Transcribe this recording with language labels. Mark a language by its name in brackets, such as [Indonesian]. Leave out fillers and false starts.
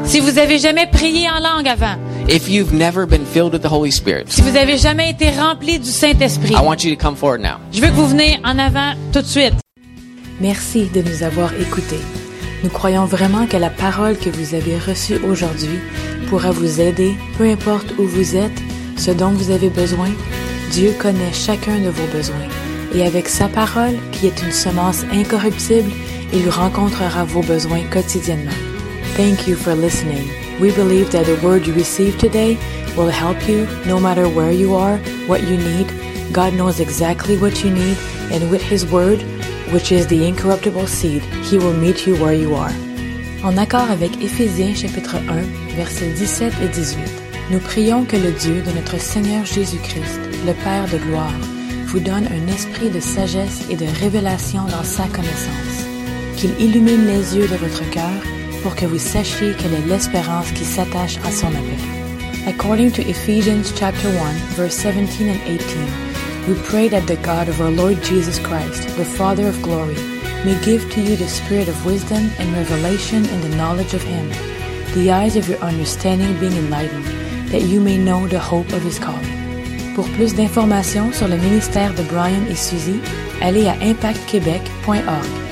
[French] Si vous avez jamais prié en langue avant. [English] If you've never been filled with the Holy Spirit. [French] Si vous avez jamais été rempli du Saint-Esprit. [English] I want you to come forward now. [French] Je veux que vous veniez en avant tout de suite. Merci de nous avoir écoutés. Nous croyons vraiment que la parole que vous avez reçue aujourd'hui pourra vous aider, peu importe où vous êtes. Ce dont vous avez besoin, Dieu connaît chacun de vos besoins. Et avec sa parole, qui est une semence incorruptible, il rencontrera vos besoins quotidiennement. [English] Thank you for listening. We believe that the word you receive today will help you no matter where you are, what you need. God knows exactly what you need, and with his word, which is the incorruptible seed, he will meet you where you are. [French] En accord avec Éphésiens chapitre 1, versets 17 et 18, nous prions que le Dieu de notre Seigneur Jésus-Christ, le Père de gloire, vous donne un esprit de sagesse et de révélation dans sa connaissance, qu'il illumine les yeux de votre cœur pour que vous sachiez quelle est l'espérance qui s'attache à son appel. [English] According to Ephesians chapter 1, verse 17 and 18, we pray that the God of our Lord Jesus Christ, the Father of glory, may give to you the spirit of wisdom and revelation in the knowledge of Him, the eyes of your understanding being enlightened, that you may know the hope of his calling. [French] Pour plus d'informations sur le ministère de Brian et Suzy, allez à impactquebec.org.